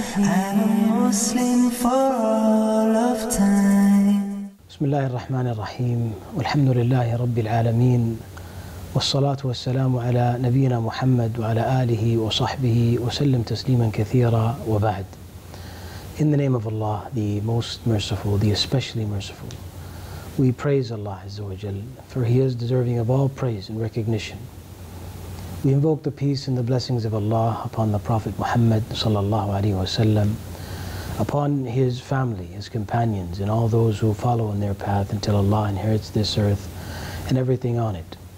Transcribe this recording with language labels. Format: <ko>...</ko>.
<en>I'm a Muslim for all of time.</en> <ar>بسم الله الرحمن الرحيم والحمد لله رب العالمين والصلاة والسلام على نبينا محمد وعلى آله وصحبه وسلم تسليما كثيرا وبعد.</ar> <en>In the name of Allah, the most merciful, the especially merciful, we praise Allah Azza wa Jal, for He is deserving of all praise and recognition. We invoke the peace and the blessings of Allah upon the Prophet Muhammad sallallahu alayhi wa sallam, upon his family, his companions, and all those who follow in their path until Allah inherits this earth and everything on it.</en>